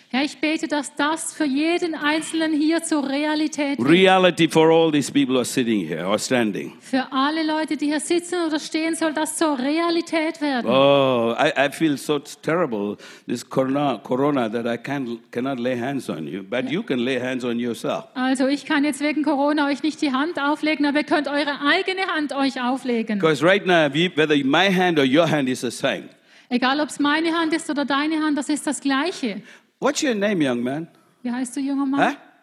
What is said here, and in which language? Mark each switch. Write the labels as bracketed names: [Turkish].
[German] Herr, ich bete, dass das für jeden Einzelnen hier zur Realität wird. [English] Reality for all these people who are sitting here or standing. [German] Für alle Leute, die hier sitzen oder stehen, soll das zur Realität werden. [English] Oh, I feel so terrible, this Corona, that I cannot lay hands on you. But you can lay hands on yourself. [German] Also, ich kann jetzt wegen Corona euch nicht die Hand auflegen, aber ihr könnt eure eigene Hand euch auflegen. [English] Because right now, whether my hand or your hand is the same. [German] Egal, ob es meine Hand ist oder deine Hand, das ist das Gleiche. [English] What's your name, young man? [German] Wie heißt du, junger Mann? Huh?